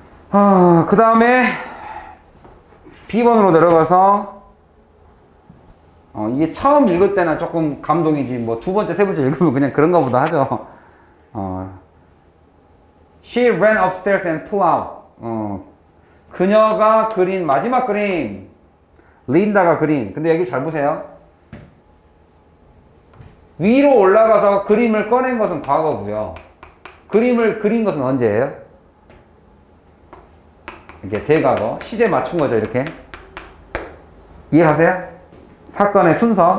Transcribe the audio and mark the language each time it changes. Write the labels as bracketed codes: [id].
[ko] 아, 그 다음에 B번으로 내려가서 이게 처음 읽을 때나 조금 감동이지 뭐 두 번째, 세 번째 읽으면 그냥 그런가 보다 하죠. [en] She ran upstairs and pulled out. [ko] 그녀가 그린 마지막 그림. 린다가 그린. 근데 여기 잘 보세요. 위로 올라가서 그림을 꺼낸 것은 과거고요. 그림을 그린 것은 언제예요? 이게 대과거. 시제 맞춘 거죠, 이렇게. 이해하세요? 사건의 순서.